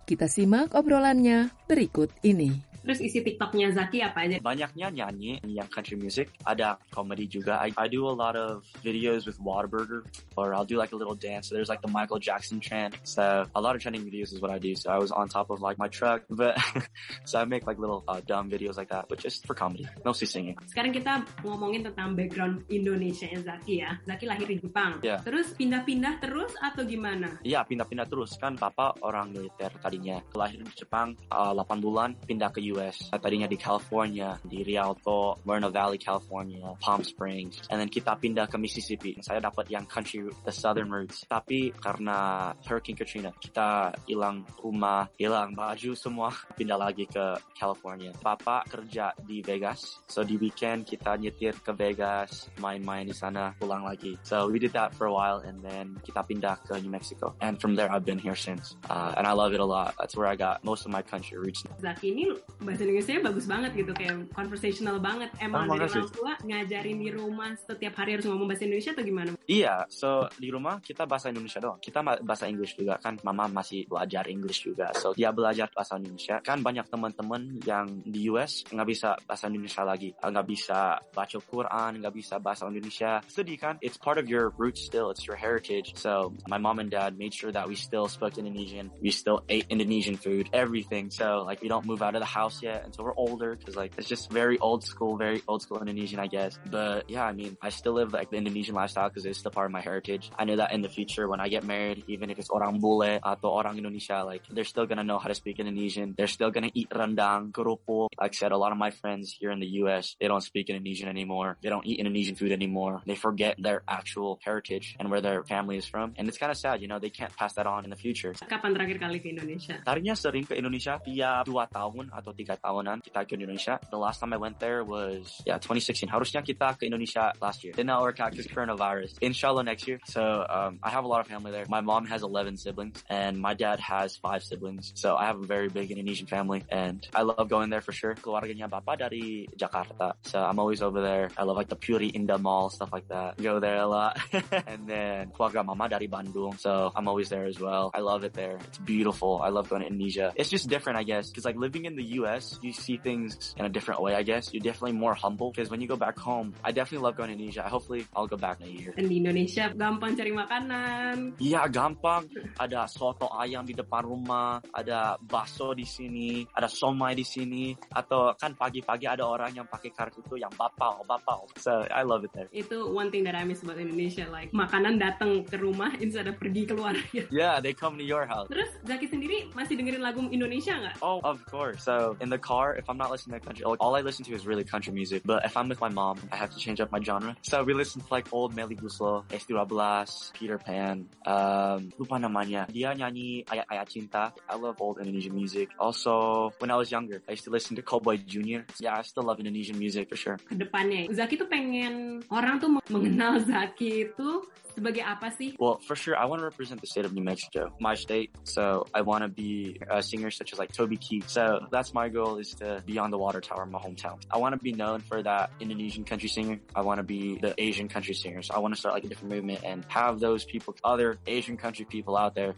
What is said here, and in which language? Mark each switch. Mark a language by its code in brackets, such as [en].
[id] Kita simak obrolannya berikut ini. Terus isi TikTok-nya Zaki apa aja? Banyaknya nyanyi yang country music. Ada comedy juga. [en] I do a lot of videos with Whataburger. Or I'll do like a little dance. So there's like the Michael Jackson trend. So a lot of trending videos is what I do. So I was on top of like my truck. But so I make like little dumb videos like that. But just for comedy. Mostly singing. [id] Sekarang kita ngomongin tentang background Indonesia ya Zaki ya. Zaki lahir di Jepang. [en] Yeah. [id] Terus pindah-pindah terus atau gimana? Iya, pindah-pindah terus. Kan papa orang militer tadinya. Lahir di Jepang 8 bulan. Pindah ke US. Tadinya di California, di Rialto, Moreno Valley, California, Palm Springs. [en] And then [id] kita pindah ke Mississippi. Saya dapat yang country, [en] the southern roots. [id] Tapi karena Hurricane Katrina, kita hilang rumah, hilang baju semua. Pindah lagi ke California. Papa kerja di Vegas. So di weekend kita nyetir ke Vegas, main-main di sana, pulang lagi. [en] So we did that for a while and then [id] kita pindah ke New Mexico. [en] And from there I've been here since. And I love it a lot. That's where I got most of my country roots. [id] Zaki ini bahasa Inggrisnya bagus banget gitu, kayak conversational banget. Emang dari orang tua ngajarin di rumah setiap hari harus ngomong bahasa Indonesia atau gimana? Iya, so di rumah kita bahasa Indonesia doang. Kita bahasa Inggris juga kan, mama masih belajar Inggris juga. So dia belajar bahasa Indonesia. Kan banyak teman-teman yang di US nggak bisa bahasa Indonesia lagi. Nggak bisa baca Quran, nggak bisa bahasa Indonesia. Sedih kan? [en] It's part of your roots still, it's your heritage. So my mom and dad made sure that we still spoke Indonesian. We still ate Indonesian food, everything. So like we don't move out of the house yet until we're older, because like it's just very old school Indonesian, I guess. But yeah, I mean, I still live like the Indonesian lifestyle because it's still part of my heritage. I know that in the future when I get married, even if it's [id] orang bule atau orang Indonesia, [en] like they're still gonna know how to speak Indonesian. They're still gonna eat rendang, kerupuk. Like I said, a lot of my friends here in the US, they don't speak Indonesian anymore. They don't eat Indonesian food anymore. They forget their actual heritage and where their family is from. And it's kind of sad, you know, they can't pass that on in the future. [id] Kapan terakhir kali ke Indonesia? Tarinya sering ke Indonesia tiap 2 tahun atau 3 tahunan kita ke Indonesia. [en] The last time I went there was, yeah, 2016. [id] Harusnya kita ke Indonesia [en] last year. Did not work out because coronavirus. Inshallah next year. So I have a lot of family there. My mom has 11 siblings and my dad has 5 siblings. So I have a very big Indonesian family and I love going there for sure. [id] Keluarganya bapak dari Jakarta. [en] So I'm always over there. I love like the Puri Indah Mall, stuff like that. Go there a lot. And then [id] keluarga mama dari Bandung. [en] So I'm always there as well. I love it there. It's beautiful. I love going to Indonesia. It's just different, I guess. Because like living in the US, you see things in a different way, I guess. You're definitely more humble because when you go back home, I definitely love going to Indonesia. Hopefully, I'll go back in a year. [id] And di Indonesia, gampang cari makanan. Iya, gampang. Ada soto ayam di depan rumah, ada bakso di sini, ada somai di sini. Atau kan pagi-pagi ada orang yang pakai kartu itu yang bapau. [en] So, I love it there. Itu one thing that I miss about Indonesia, like [id] makanan datang ke rumah [en] instead of [id] pergi keluar. [en] Yeah, they come to your house. [id] Terus, Zaki sendiri masih dengerin lagu Indonesia nggak? [en] Oh, of course. So, in the car, if I'm not listening to country, all I listen to is really country music. But if I'm with my mom, I have to change up my genre. So we listen to like old Melly Guslo, S12, Peter Pan, [id] lupa namanya. Dia nyanyi [en] Ayat Cinta. I love old Indonesian music. Also, when I was younger, I used to listen to Coboy Junior. Yeah, I still love Indonesian music for sure. [id] Kedepannya, Zaki tuh pengen orang tuh mengenal Zaki itu sebagai apa sih? [en] Well, for sure, I want to represent the state of New Mexico, my state. So I want to be a singer such as like Toby Keith. So that's my goal, is to be on the Water Tower, my hometown. I want to be known for that Indonesian country singer. I want to be the Asian country singer. So I want to start like a different movement and have those people, other Asian country people out there.